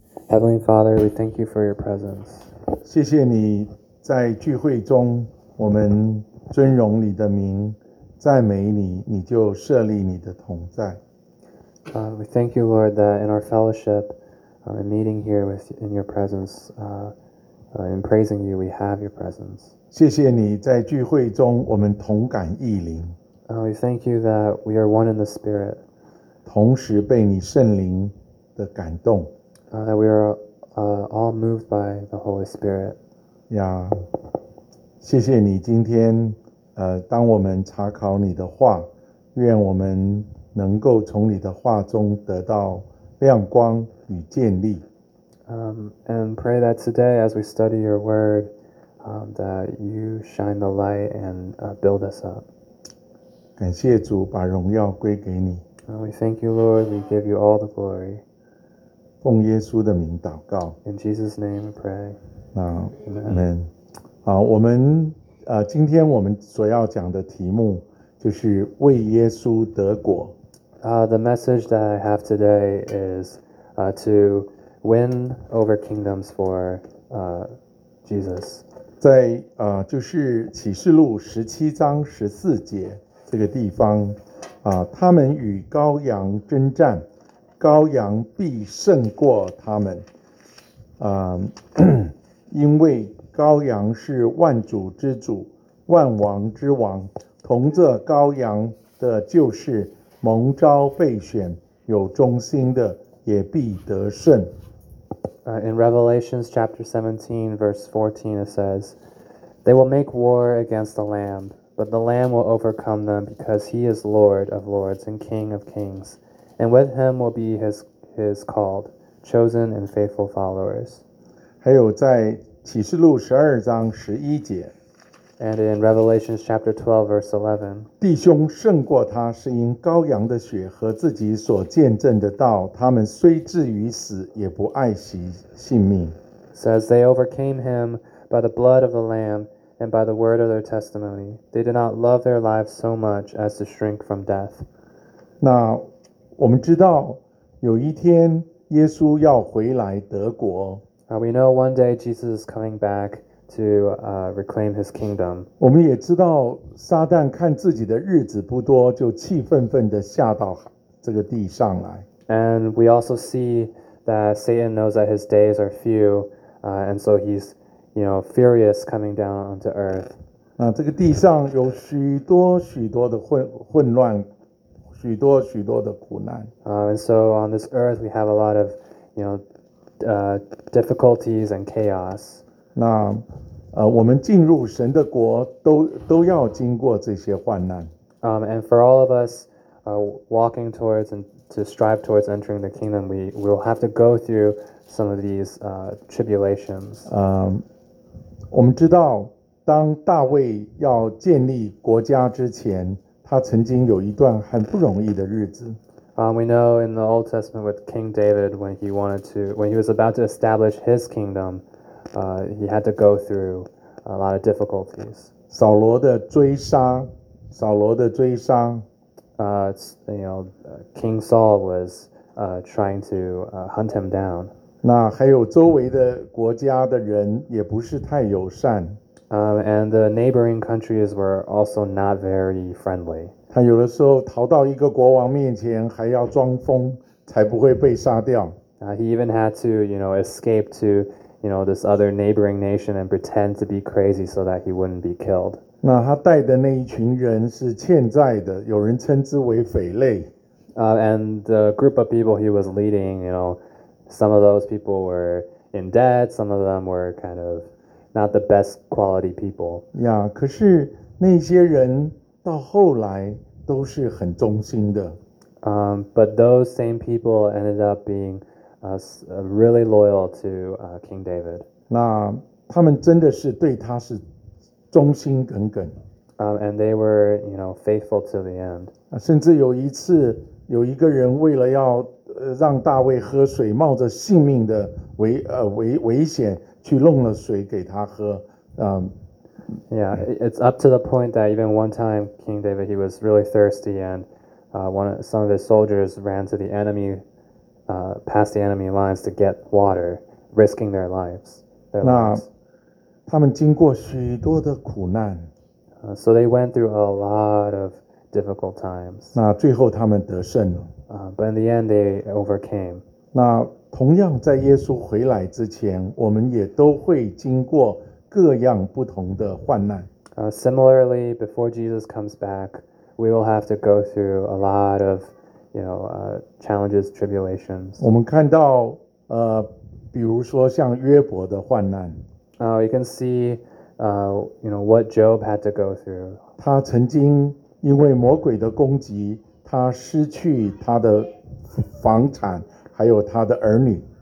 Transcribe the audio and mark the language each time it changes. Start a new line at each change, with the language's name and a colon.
English: Heavenly Father, we thank you for your presence.
Chinese: 谢谢你在聚会中，我们尊荣你的名，赞美你，你就设立你的同在。
English: We thank you, Lord, that in our fellowship, in meeting here with in your presence, in praising you, we have your presence.
Chinese: 谢谢你在聚会中，我们同感异灵。
English: We thank you that we are one in the Spirit.
Chinese: 同时被你圣灵的感动。
English: That we are all moved by the Holy Spirit. Yeah.
Chinese: 谢谢你今天，当我们查考你的话，愿我们能够从你的话中得到亮光与建立。
English: And pray that today, as we study your word, that you shine the light and build us up.
Chinese: 感谢主，把荣耀归给你。
English: We thank you, Lord. We give you all the glory.
Chinese: 奉耶稣的名祷告。
English: In Jesus' name, we pray. Amen.
Chinese: 好，我们今天我们所要讲的题目就是为耶稣得果。
English: The message that I have today is to win over kingdoms for Jesus.
Chinese: 在就是启示录十七章十四节这个地方他们与羔羊征战，羔羊必胜过他们。因为羔羊是万主之主，万王之王，同这羔羊的就是蒙召备选有忠心的也必得胜。
English: In Revelation chapter 17, verse 14, it says, They will make war against the Lamb, but the Lamb will overcome them because he is Lord of lords and King of kings, and with him will be his called, chosen and faithful followers.
Chinese: 还有在启示录十二章十一节。
English: And in Revelation chapter 12, verse 11,
Chinese: 弟兄胜过他是因羔羊的血和自己所见证的道，他们虽至于死也不爱惜性命。
English: Says they overcame him by the blood of the Lamb and by the word of their testimony. They did not love their lives so much as to shrink from death.
Chinese: 那我们知道有一天耶稣要回来得国。
English: We know one day Jesus is coming back to reclaim his kingdom.
Chinese: 我们也知道撒旦看自己的日子不多，就气愤愤地下到这个地上来。
English: And we also see that Satan knows that his days are few, and so he's, you know, furious coming down onto earth.
Chinese: 那这个地上有许多许多的混乱，许多许多的苦难。
English: And so on this earth we have a lot of, you know, difficulties and chaos.
Chinese: 那我们进入神的国都要经过这些患难。
English: And for all of us walking towards and to strive towards entering the kingdom, we will have to go through some of these tribulations.
Chinese: 我们知道当大卫要建立国家之前，他曾经有一段很不容易的日子。
English: We know in the Old Testament with King David, when he was about to establish his kingdom, he had to go through a lot of difficulties.
Chinese: 扫罗的追杀，扫罗的追杀。
English: King Saul was trying to hunt him down.
Chinese: 那还有周围的国家的人也不是太友善。
English: And the neighboring countries were also not very friendly.
Chinese: 他有的时候逃到一个国王面前还要装疯才不会被杀掉。
English: He even had to, you know, escape to, you know, this other neighboring nation and pretend to be crazy so that he wouldn't be killed.
Chinese: 那他带的那一群人是欠债的，有人称之为匪类。
English: And the group of people he was leading, you know, some of those people were in debt, some of them were kind of not the best quality people.
Chinese: Yeah, 可是那些人到后来都是很忠心的。
English: But those same people ended up being really loyal to King David.
Chinese: 那他们真的是对他是忠心耿耿。
English: And they were, you know, faithful to the end.
Chinese: 甚至有一次有一个人为了要让大卫喝水，冒着性命的危险去弄了水给他喝。
English: Yeah, it's up to the point that even one time King David, he was really thirsty and some of his soldiers ran to the enemy past the enemy lines to get water, risking their lives. Their 那, lives.
Chinese: 他们经过许多的苦难。
English: So they went through a lot of difficult times.
Chinese: 那最后他们得胜了。
English: But in the end, they overcame.
Chinese: 那同样在耶稣回来之前，我们也都会经过各样不同的患难。
English: Similarly, before Jesus comes back, we will have to go through a lot of, you know, challenges, tribulations.
Chinese: 我们看到，比如说像约伯的患难。
English: You can see, you know, what Job had to go through.
Chinese: 他曾经因为魔鬼的攻击，他失去他的房产，还有他的儿女。